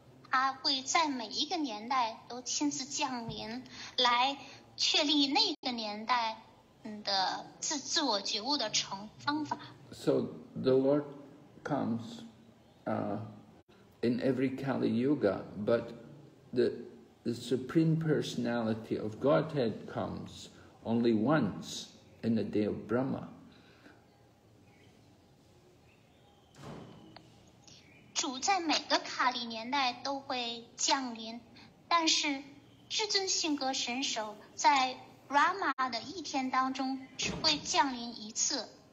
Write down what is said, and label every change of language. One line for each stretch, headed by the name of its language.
Chinese: 他会在每一个年代都亲自降临，来确立那个年代的自我觉悟的方法。
English: So the Lord comes in every Kali Yuga, but the Supreme Personality of Godhead comes only once in the day of Brahma.
Chinese: 主在每个卡里年代都会降临，但是至尊性格神首在 Brahma 的一天当中只会降临一次。